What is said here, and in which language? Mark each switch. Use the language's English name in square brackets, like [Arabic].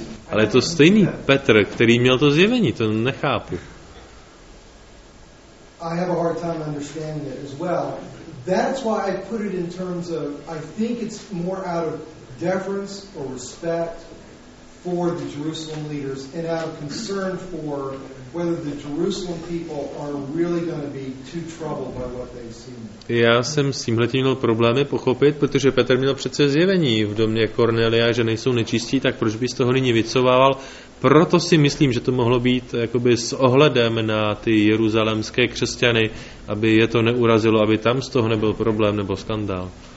[Czech] Ale je to stejný Petr, který měl to zjevení, to nechápu. [English] I have a hard time understanding it as well. That's why I put it in terms of, I think it's more out of deference or respect for the Jerusalem leaders and out of concern for whether the Jerusalem people are really going to be too troubled by what they see. [Czech] Já jsem s tímhle tím měl problémy pochopit, protože Petr měl přece zjevení v domě Kornelia, že nejsou nečistí, tak proč by z toho nyní vycouvával? Proto si myslím, že to mohlo být jakoby s ohledem na ty jeruzalemské křesťany, aby je to neurazilo, aby tam z toho nebyl problém nebo skandál.